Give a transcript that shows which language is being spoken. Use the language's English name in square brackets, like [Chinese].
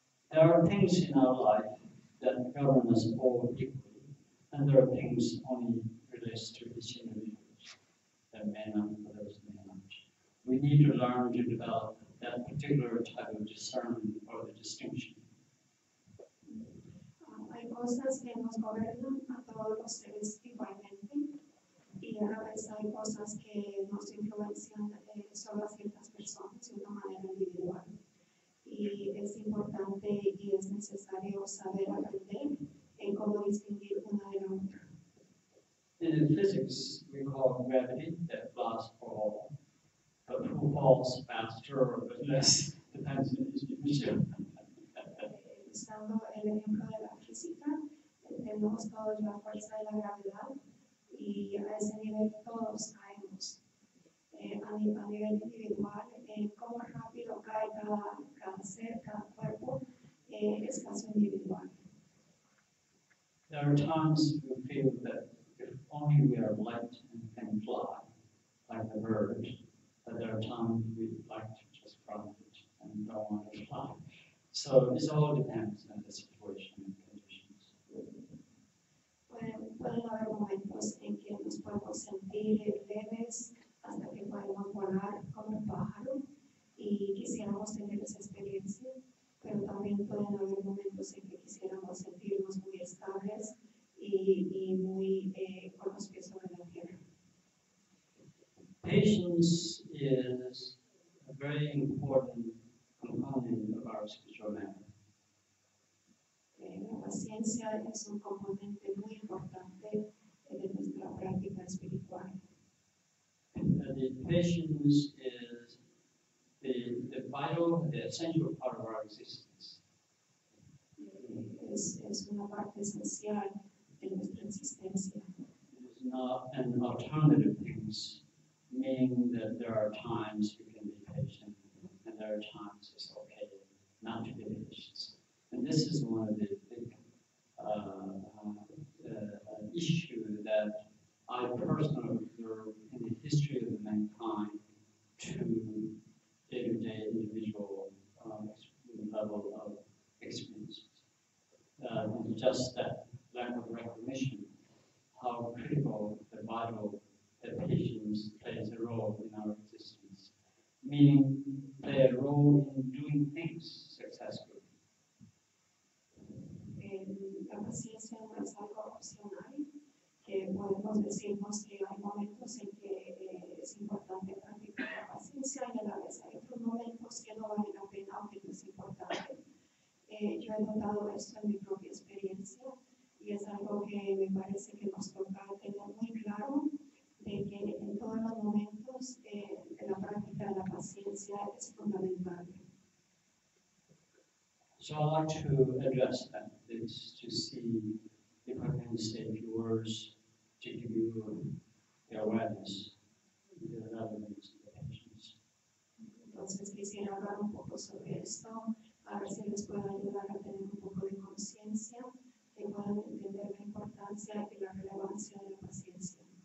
[English] There are things in our life that govern us all equally, and there are things only related to each individual that may not be others. We need to learn to develop that particular type of discernment or the distinction. [Spanish] Hay cosas que nos gobiernan a todos los seres igualmente, y a veces hay cosas que nos influencian solo a ciertas personas de una manera individual. Y es importante y es necesario saber aprender en cómo distinguir una de la otra. [English] In physics, we call gravity that lasts for all. But who falls faster or less depends on his position. [Spanish] Usando el ejemplo de la física, tenemos todos la fuerza de la gravedad, y a ese nivel todos caemos. A nivel individual, cómo rápido cae cada ser, cada cuerpo, es caso individual. [English] There are times we feel that if only we are light and can fly like the bird, that there are times we'd like to just profit it and don't want to fly. So this all depends on the situation and conditions. [Spanish] Pueden haber momentos en que nos podemos sentir leves hasta que podemos volar como un pájaro y quisiéramos tener esa experiencia, pero también pueden haber momentos en que quisiéramos sentirnos muy estables y muy con los pies sobre la tierra. [English] Patience is a very important component of our spiritual life. [Spanish] La paciencia es un componente muy importante de nuestra práctica espiritual. [English] The patience is the vital, the essential part of our existence. [Spanish] Es una parte esencial de nuestra existencia. [English] It is not an alternative thing. Meaning that there are times you can be patient, and there are times it's okay not to be patient. And this is one of the big issues that I personally observe in the history of mankind to day-to-day individual level of experiences. Just that lack of recognition, how critical the vital that patience plays a role in our existence, meaning play a role in doing things successfully. [Spanish] La paciencia no es algo opcional, que podemos decirnos que hay momentos en que es importante practicar la paciencia y a la vez hay otros momentos que no vale la pena o que no es importante. Yo he notado esto en mi propia experiencia y es algo que me parece que nos toca tener muy claro. De que en todos los momentos de la práctica de la paciencia es fundamental. [English] So I'd like to address that, this, to see if I can say a few words to give you the awareness of the elements of the patients. [Spanish] Entonces quisiera hablar un poco sobre esto, a ver si les puedo ayudar a tener un poco de conciencia, que puedan entender la importancia y la relevancia de la paciencia.